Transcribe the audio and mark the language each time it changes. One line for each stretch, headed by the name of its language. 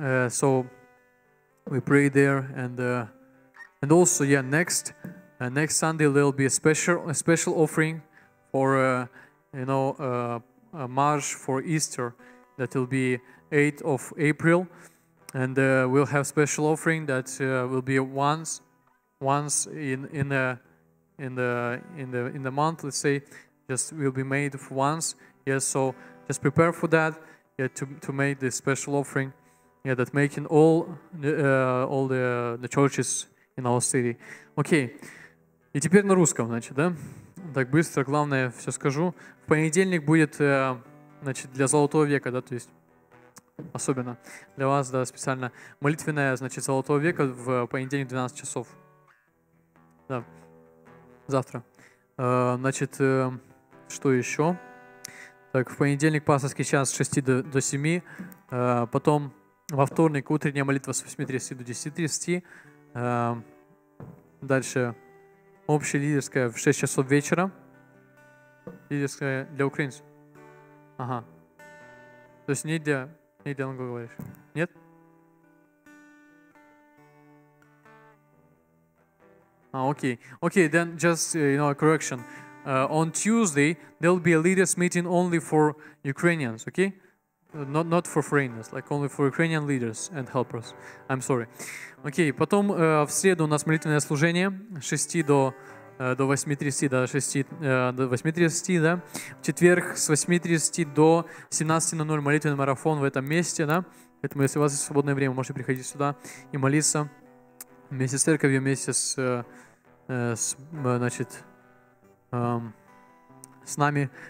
English: So we pray there, and also, yeah, next Sunday there'll be a special offering for a march for Easter, that will be 8th of April, and we'll have special offering that will be once in the month, let's say, just will be made for once. Yes, yeah, so just prepare for that. Yeah, to make this special offering. Yeah, that making all the churches in our city. Okay.
Russian: И теперь на русском, значит, да? Так быстро, главное, все скажу. В понедельник будет, значит, для Золотого века, да, то есть особенно для вас, да, специально молитвенная, значит, Золотого века в понедельник 12 часов. Да, завтра. Значит, что еще? Так, в понедельник пасторский час с 6 до 7. Потом во вторник утренняя молитва с 8:30 до 10:30. Дальше общая лидерская в 6 часов вечера. Лидерская для украинцев. Ага. То есть не для англоговорящих. Нет?
English: Okay, then just, a correction. On Tuesday, there'll be a leaders' meeting only for Ukrainians, okay? Not for foreigners, like only for Ukrainian leaders and helpers. I'm sorry.
Russian: Okay, потом в среду у нас молитвенное служение с 6 до 8:30, да, 6 до 8:30, да. В четверг с 8:30 до 17:00 молитвенный марафон в этом месте, да. Поэтому если у вас есть свободное время, можете приходить сюда и молиться вместе с церковью, вместе с нами.